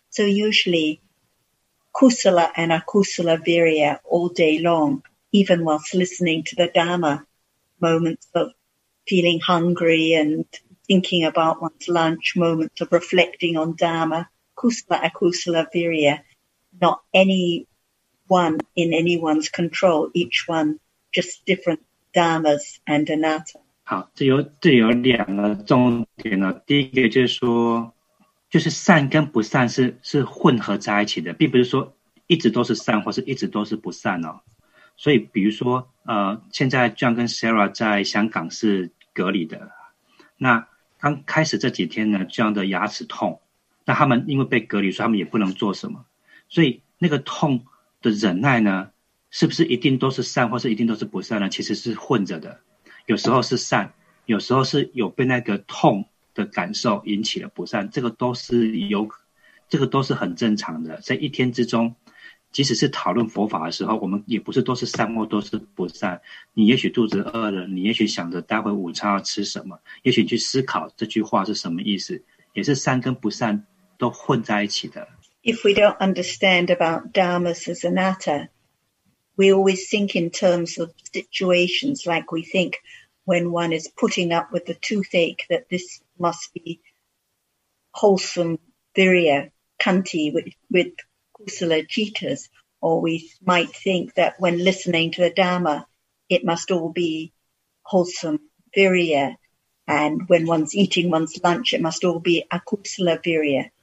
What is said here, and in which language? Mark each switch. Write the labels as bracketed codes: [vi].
[en] So usually kusala and akusala virya all day long, even whilst listening to the Dhamma, moments of feeling hungry and thinking about one's lunch, moments of reflecting on Dhamma, kusala, akusala, virya, not any one in anyone's control, each one just different Dhammas and anatta. [zh] 好，这有两个重点了。第一个就是说，就是善跟不善是混合在一起的，并不是说一直都是善或是一直都是不善哦。所以比如说现在 John 跟 Sarah 在香港是隔离的，那刚开始这几天呢，这样的牙齿痛，那他们因为被隔离，所以他们也不能做什么，所以那个痛的忍耐呢，是不是一定都是善，或是一定都是不善呢？其实是混着的，有时候是善，有时候是有被那个痛的感受引起了不善，这个都是很正常的。在一天之中，即使是讨论佛法的时候，我们也不是都是善或都是不善。你也许肚子饿了，你也许想着待会午餐要吃什么，也许你去思考这句话是什么意思，也是善跟不善都混在一起的。 [en] If we don't understand about dharmas as anatta, we always think in terms of situations, like we think when one is putting up with the toothache that this must be wholesome virya, kanti, with kusala jitas, or we might think that when listening to the Dhamma, it must all be wholesome virya, and when one's eating one's lunch, it must all be akusala virya.